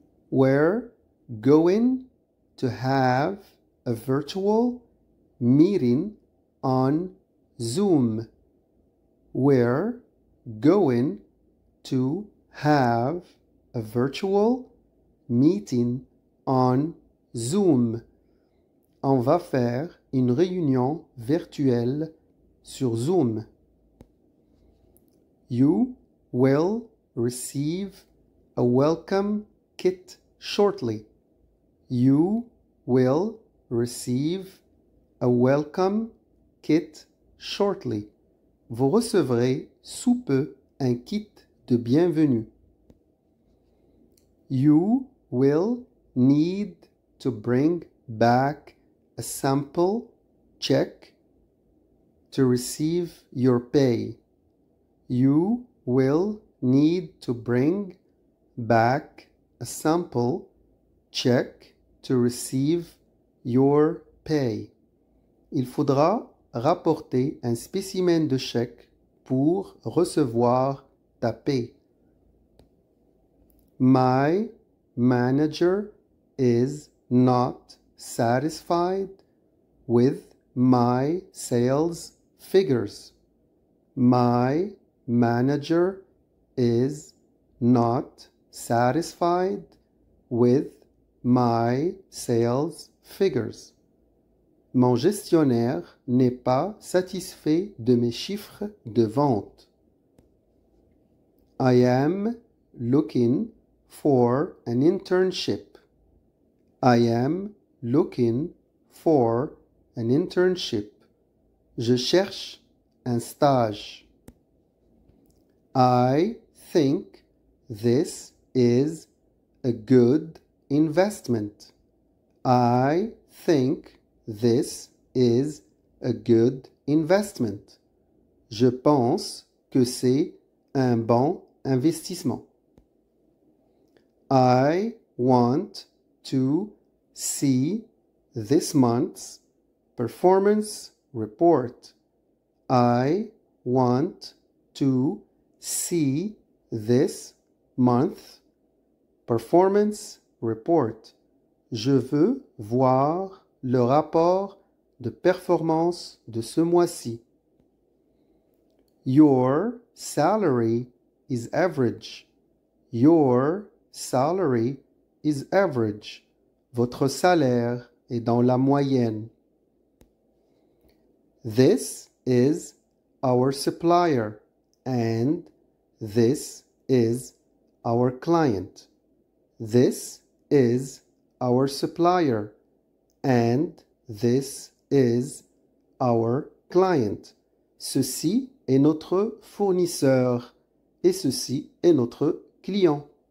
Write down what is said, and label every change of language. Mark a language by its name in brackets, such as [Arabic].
[English] We're going to have a virtual meeting on Zoom. We're going to have a virtual meeting on Zoom. [French] On va faire une réunion virtuelle sur Zoom. [English] You will receive a welcome kit shortly. You will receive a welcome kit shortly. [French] Vous recevrez sous peu un kit de bienvenue. [English] You will need to bring back a sample check to receive your pay. You will need to bring back a sample check to receive your pay. [French] Il faudra rapporter un spécimen de chèque pour recevoir ta paie. [English] My manager is not satisfied with my sales figures. My manager is not satisfied with my sales figures. [French] Mon gestionnaire n'est pas satisfait de mes chiffres de vente. [English] I am looking for an internship. I am looking for an internship. [French] Je cherche un stage. [English] I think this is a good investment. I think this is a good investment. [French] Je pense que c'est un bon investissement. [English] I want to see this month's performance report. I want to see this month's performance report. [French] Je veux voir le rapport de performance de ce mois-ci. [English] Your salary is average. Your salary is average. [French] Votre salaire est dans la moyenne. [English] This is our supplier and this is our client. This is our supplier and this is our client. [French] Ceci est notre fournisseur et ceci est notre client.